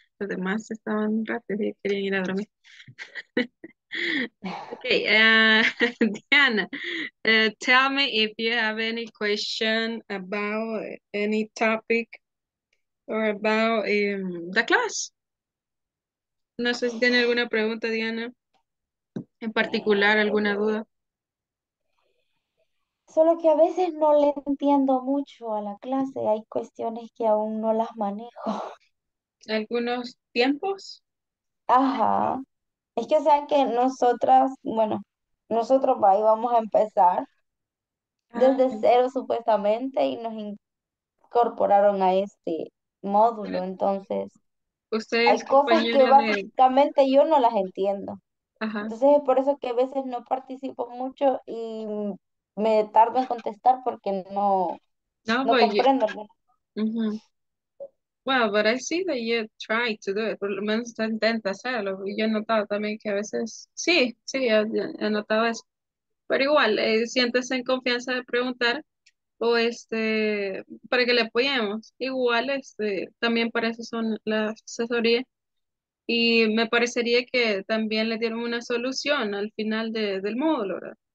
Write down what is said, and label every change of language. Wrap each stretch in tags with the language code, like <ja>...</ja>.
<es>Los demás estaban rápidos y querían ir a dormir.</es> <en>Okay, Diana, tell me if you have any question about any topic or about the class.</en> <es>No sé si tiene alguna pregunta, Diana, en particular, alguna duda. Solo que a veces no le entiendo mucho a la clase, hay cuestiones que aún no las manejo. ¿Algunos tiempos? Ajá. Es que, o sea, que nosotras, bueno, nosotros ahí vamos a empezar desde cero supuestamente y nos incorporaron a este módulo, entonces ustedes, hay cosas que básicamente yo no las entiendo. Ajá. Entonces es por eso que a veces no participo mucho y me tardo en contestar porque no comprendo.</es> <en>Well, but I see that you try to do it.</en> <es>Por lo menos tú intentas hacerlo. Y yo he notado también que a veces... Sí, sí, he notado eso. Pero igual, sientes en confianza de preguntar o para que le apoyemos. Igual, también para eso son la asesoría. Y me parecería que también le dieron una solución al final del módulo, ¿verdad?</es>